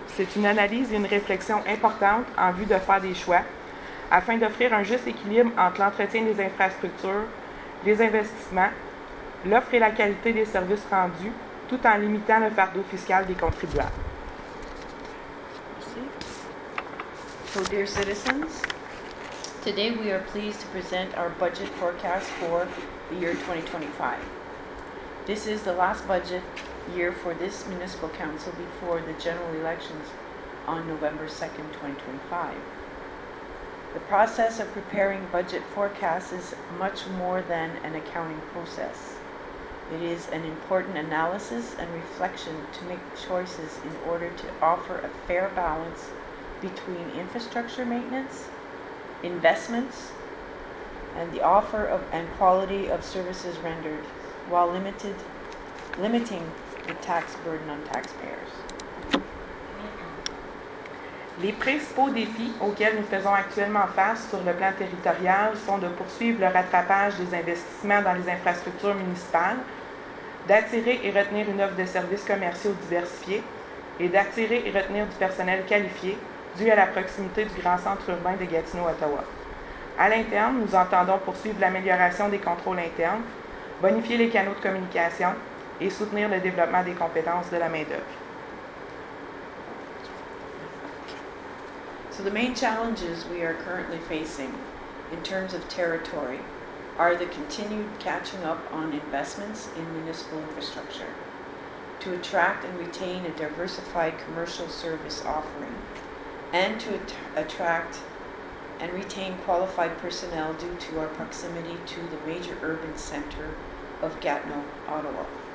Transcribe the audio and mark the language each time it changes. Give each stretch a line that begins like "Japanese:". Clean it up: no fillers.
French: C'est une analyse et une réflexion importante en vue de faire des choix afin d'offrir un juste équilibre entre l'entretien des infrastructures, les investissements, l'offre et la qualité des services rendus, tout en limitant le fardeau fiscal des contribuables.
English: So, dear citizens, today we are pleased to present our budget forecast for the year 2025. This is the last budget year for this municipal council before the general elections on November 2nd, 2025. The process of preparing budget forecasts is much more than an accounting process. It is an important analysis and reflection to make choices in order to offer a fair balance between infrastructure maintenance, investments, and the offer of and quality of services rendered, while limiting the tax burden on taxpayers.
French: Les principaux défis auxquels nous faisons actuellement face sur le plan territorial sont de poursuivre le rattrapage des investissements dans les infrastructures municipales, d'attirer et retenir une offre de services commerciaux diversifiés, et d'attirer et retenir du personnel qualifié, dû à la proximité du grand centre urbain de Gatineau, Ottawa. À l'interne, nous entendons poursuivre l'amélioration des contrôles internes, bonifier les canaux de communication et soutenir le développement des compétences de la main-d'œuvre.
English: So the main challenges we are currently facing in terms of territory are the continued catching up on investments in municipal infrastructure to attract and retain a diversified commercial service offering and to attract and retain qualified personnel due to our proximity to the major urban center of Gatineau, Ottawa.